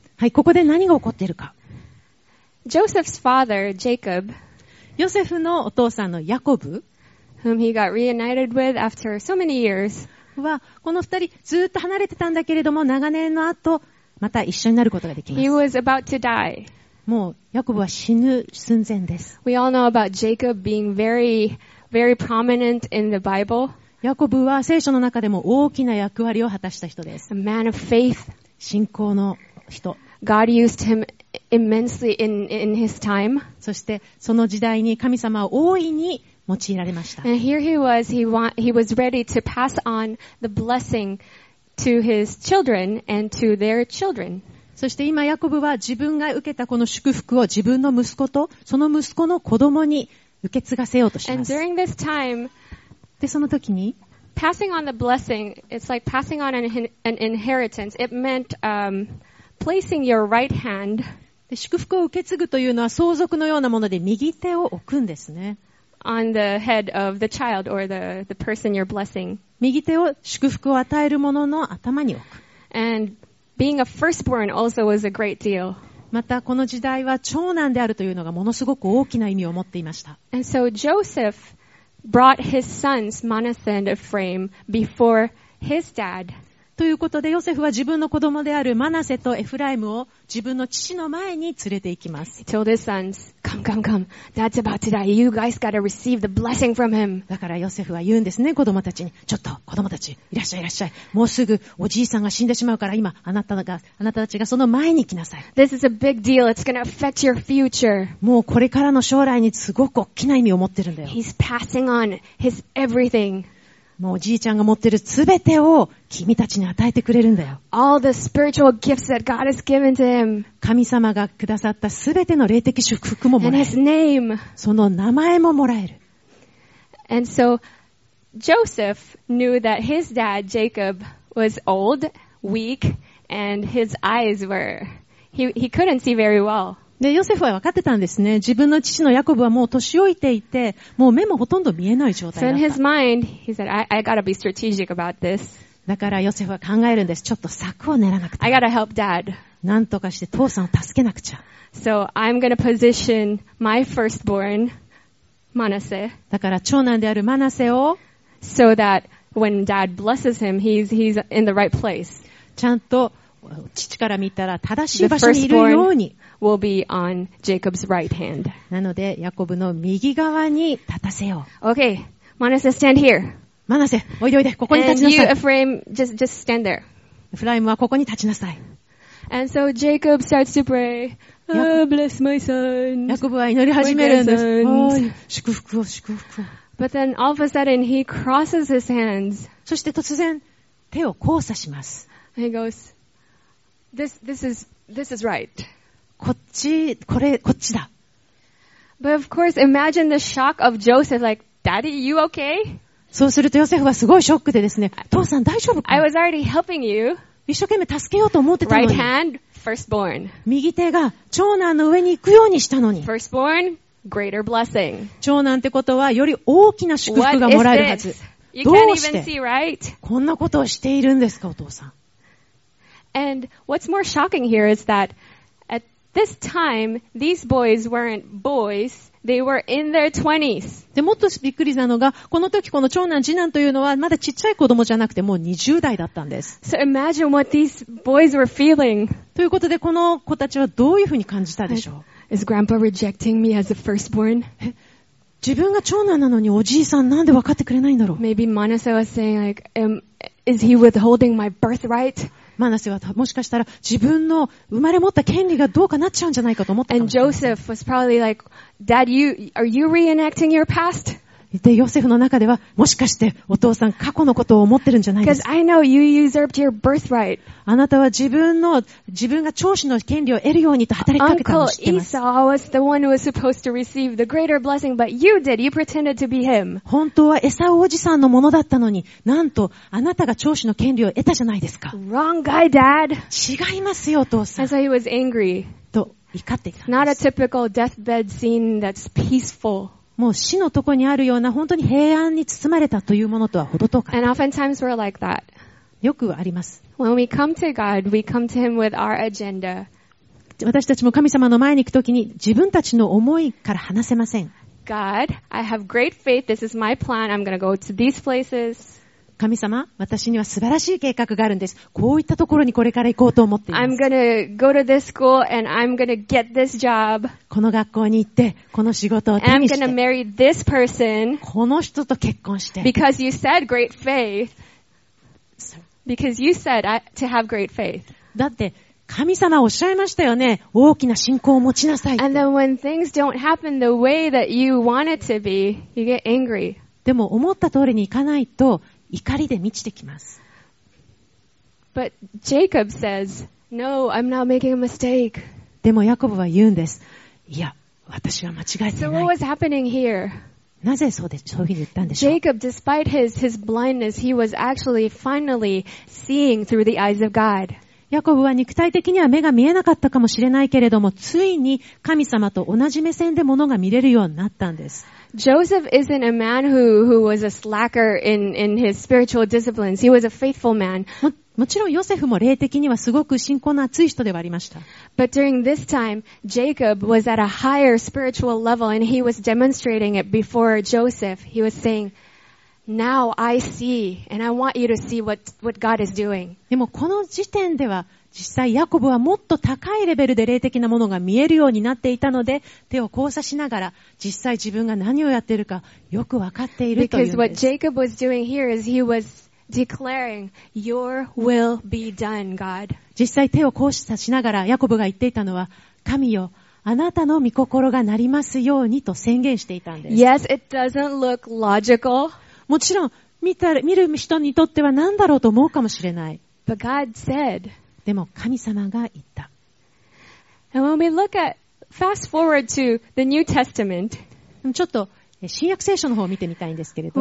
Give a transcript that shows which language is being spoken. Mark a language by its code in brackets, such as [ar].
[ja] はい、ここで何が起こっているか。 [en] Joseph's father, Jacob. [ja] ヨセフのお父さんのヤコブ。 [en] Whom he got reunited with after so many years. [ja] は、この二人ずっと離れてたんだけれども、長年の後、また一緒になることができます。 [en] He was about to die. [ja] もう、ヤコブは死ぬ寸前です。 [en] We all know about Jacob being very, very prominent in the Bible. [ja] ヤコブは聖書の中でも大きな役割を果たした人です。 [en] A man of faith. [ja] 信仰の人。 [en] God used him immensely in his time. [ja] そしてその時代に神様は大いに用いられました。 [en] And here he was ready to pass on the blessing to his children and to their children. [ja] そして今ヤコブは自分が受けたこの祝福を自分の息子とその息子の子供に受け継がせようとします。 [en] And during this time, [ja] でその時に [en] passing on the blessing, it's like passing on an inheritance. It meant, placing your right hand. [ja] で祝福を受け継ぐというのは相続のようなもので右手を置くんですね。 [en] on the head of the child or the person you're blessing. [ja] 右手を祝福を与える者の頭に置く。 [en] And being a firstborn also was a great deal. [ja] またこの時代は長男であるというのがものすごく大きな意味を持っていました。 [en] And so Joseph brought his sons Manasseh and Ephraim before his dad. [ja] ということでヨセフは自分の子供であるマナセとエフライムを自分の父の前に連れて行きます。 [en] He told his sons, "Come, come, come. Dad's about to die. You guys gotta receive the blessing from him." [ja] だからヨセフは言うんですね、子供たちに。ちょっと子供たち、いらっしゃいいらっしゃい。もうすぐおじいさんが死んでしまうから今あなたたちがその前に来なさい。 [en] This is a big deal. It's gonna affect your future. [ja] もうこれからの将来にすごく大きな意味を持ってるんだよ。 [en] He's passing on his everything. [ja] もうおじいちゃんが持ってるすべてを君たちに与えてくれるんだよ。 [en] All the spiritual gifts that God has given to him. [ja] 神様がくださったすべての霊的祝福ももらえる。 [en] And his name. [ja] その名前ももらえる。 [en] And so Joseph knew that his dad Jacob was old, weak, and his eyes were he couldn't see very well. [ja] で、ヨセフは分かってたんですね。自分の父のヤコブはもう年老いていて、もう目もほとんど見えない状態だった。 [en] So in his mind, he said, I gotta be strategic about this. [ja] だからヨセフは考えるんです。ちょっと策を練らなくて。 [en] I gotta help dad. [ja] なんとかして父さんを助けなくちゃ。 [en] So I'm gonna position my firstborn, Manasseh. [ja] だから長男であるマナセを。 [en] So that when dad blesses him, he's in the right place. [ja] ちゃんと父から見たら正しい場所にいるように。 [en] Will be on Jacob's right hand. [ja] なのでヤコブの右側に立たせよう。 [en] Okay, Manasseh, stand here. [ja] Manasseh, おいでおいで、ここに立ちなさい。 [en] And you, Ephraim, just stand there. [ja] Ephraim はここに立ちなさい。 [en] And so Jacob starts to pray. Oh, bless my son. [ja] ヤコブは祈り始めるんです。祝福を祝福を。 [en] But then all of a sudden he crosses his hands. [ja] そして突然手を交差します。 [en] He goes, this is right. [ja] こっちだ。 [en] But of course, imagine the shock of Joseph, like, Daddy, you okay? [ja] そうするとヨセフはすごいショックでですね、父さん大丈夫か？ [en] I was already helping you. [ja] 一生懸命助けようと思ってたのに。 [en] Right hand, firstborn. [ja] 右手が長男の上に行くようにしたのに。 [en] Firstborn, greater blessing. [ja] 長男ってことはより大きな祝福がもらえるはず。どうして？ [en] You can't even see, right? [ja] こんなことをしているんですか、お父さん。 [en] And what's more shocking here is that,This time, these boys weren't boys. They were in their 20s. [ja] で、もっとびっくりなのが、この時この長男、次男というのは、まだちっちゃい子供じゃなくて、もう20代だったんです。 [en] So imagine what these boys were feeling. [ja] ということで、この子たちはどういうふうに感じたでしょう。 [en] Is grandpa rejecting me as a firstborn? [ja] 自分が長男なのにおじいさんなんで分かってくれないんだろう。 [en] Maybe Manasseh was saying like, is he withholding my birthright? [ja] マナセはもしかしたら自分の生まれ持った権利がどうかなっちゃうんじゃないかと思ったかもしれません。 [en] And Joseph was probably like, Dad, are you reenacting your past? [ja] で、ヨセフの中ではもしかしてお父さん過去のことを思ってるんじゃないですか。 [en] Because I know you usurped your birthright. [ja] あなたは自分が長子の権利を得るようにと働きかけたのを知ってます。 [en] Uncle Esau was the one who was supposed to receive the greater blessing, but you did. You pretended to be him. [ja] 本当はエサウおじさんのものだったのに、なんとあなたが長子の権利を得たじゃないですか。 [en] Wrong guy, Dad. [ja] 違いますよ、お父さん。 [en] And so he was angry. [ja] と怒っていたんです。 [en] Not a typical deathbed scene that's peaceful. [ja] もう死のとこにあるような本当に平安に包まれたというものとは程遠かった。 [en] And oftentimes we're like that. [ja] よくあります。 [en] When we come to God, we come to him with our agenda. [ja] 私たちも神様の前に行くときに自分たちの思いから話せません。 [en] God, I have great faith. This is my plan. I'm going to go to these places. [ja] 神様、私には素晴らしい計画があるんです。こういったところにこれから行こうと思っています。 [en] I'm going to go to this school and I'm going to get this job. [ja] この学校に行って、この仕事を手にして、 [en] I'm gonna marry this person, [ja] この人と結婚して、 [en] because you said great faith, because you said to have great faith. [ja] だって神様おっしゃいましたよね、大きな信仰を持ちなさいって。 [en] And then when things don't happen the way that you want it to be, you get angry. [ja] でも思った通りにいかないと怒りで満ちてきます。 [en] But Jacob says, No, I'm not making a mistake. [ja] でもヤコブは言うんです。いや、私は間違えていない。 [en] So what was happening here? [ja] なぜそうで、そういうふうに言ったんでしょう。 [en] Jacob, despite his blindness, he was actually finally seeing through the eyes of God. [ja] ヤコブは肉体的には目が見えなかったかもしれないけれども、ついに神様と同じ目線で物が見れるようになったんです。 [en] Joseph isn't a man who was a slacker in his spiritual disciplines. He was a faithful man. [ja] もちろんヨセフも霊的にはすごく信仰の厚い人ではありました。 [en] But during this time, Jacob was at a higher spiritual level and he was demonstrating it before Joseph. He was saying,Now I see, and I want you to see what God is doing. [ja] でもこの時点では実際ヤコブはもっと高いレベルで霊的なものが見えるようになっていたので、手を交差しながら実際自分が何をやっているかよく分かっているというんです。 [en] Because what Jacob was doing here is he was declaring, "Your will be done, God." [ja] 実際手を交差しながらヤコブが言っていたのは、神よ。あなたの御心がなりますようにと宣言していたんです。 [en] Yes, it doesn't look logical. [ja] もちろん見る人にとっては何だろうと思うかもしれない。 [en] But God said, [ja] でも神様が言った。 [en] And when we look at, fast forward to the New Testament, [ja] ちょっと新約聖書の方を見てみたいんですけれど。